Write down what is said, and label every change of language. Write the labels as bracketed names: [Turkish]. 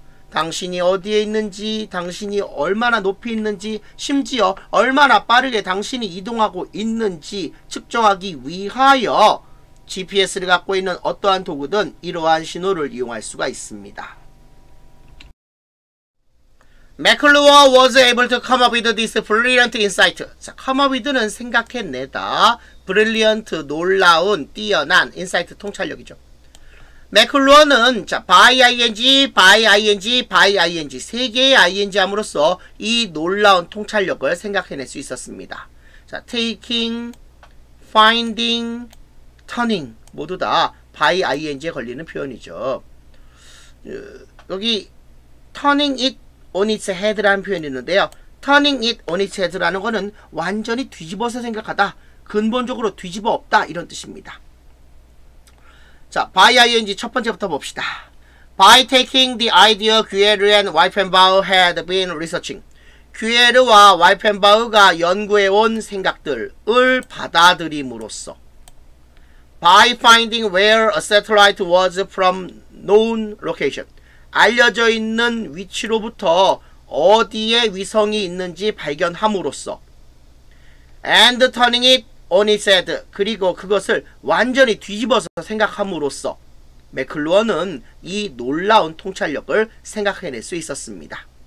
[Korean] 당신이 어디에 있는지, 당신이 얼마나 높이 있는지, 심지어 얼마나 빠르게 당신이 이동하고 있는지 측정하기 위하여 GPS를 갖고 있는 어떠한 도구든 이러한 신호를 이용할 수가 있습니다. [English] McClure was able to come up with this brilliant insight. [Korean] 자, come up with는 생각해내다. Brilliant, 놀라운, 뛰어난, insight, 통찰력이죠. 맥클루어는 자 by ing 세 개의 ing 함으로써 이 놀라운 통찰력을 생각해낼 수 있었습니다. 자 taking, finding, turning 모두 다 by ing에 걸리는 표현이죠. 여기 turning it on its head라는 표현이 있는데요. turning it on its head라는 거는 완전히 뒤집어서 생각하다, 근본적으로 뒤집어 엎다 이런 뜻입니다. 자, by ing 첫 번째부터 봅시다. [English] By taking the idea Guerre and Wippenbauer had been researching. [Korean] Guerre와 Wippenbauer가 연구해온 생각들을 받아들임으로써. [English] By finding where a satellite was from known location. [Korean] 알려져 있는 위치로부터 어디에 위성이 있는지 발견함으로써. [English] And turning it on its head. [Korean] 그리고 그것을 완전히 뒤집어서 생각함으로써 맥클루어는 이 놀라운 통찰력을 생각해낼 수 있었습니다.